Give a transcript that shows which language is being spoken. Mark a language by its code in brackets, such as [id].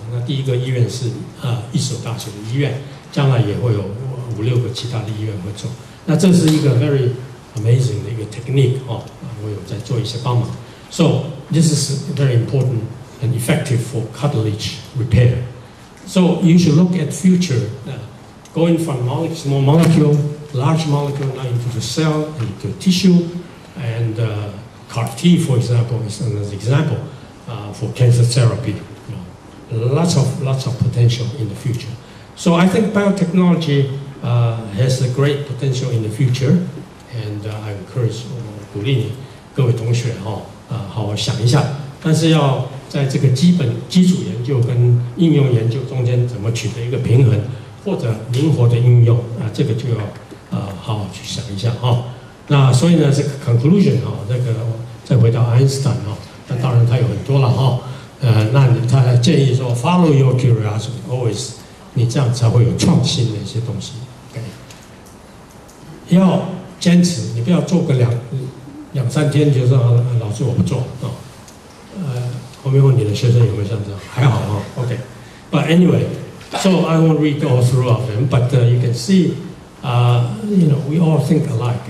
[zh] 那第一个医院是一所大学的医院，将来也会有五六个其他的医院会做。那这是一个 very amazing 的一个 technique 哦，我有在做一些帮忙。 [en] So this is very important and effective for cartilage repair. So you should look at future going from small molecule, large molecule, now into the cell and into tissue. And CAR T, for example, is an example for cancer therapy. You know, lots of potential in the future. So I think biotechnology has a great potential in the future. [zh] And I encourage 鼓励你各位同学哦，好好想一下，但是要在这个基础研究跟应用研究中间怎么取得一个平衡，或者灵活的应用啊，这个就要好好去想一下哦。那所以呢，这个 conclusion 哦，那个再回到爱因斯坦哦，那当然他有很多了哦。那他建议说 follow your curiosity always，你这样才会有创新的一些东西。 [en] Okay. [zh] 要坚持，你不要做个两三天就说老师我不做啊。后面问你的学生有没有像这样？还好啊。 [en] OK， but anyway， so I won't read all through of them， but you can see， you know， we all think alike.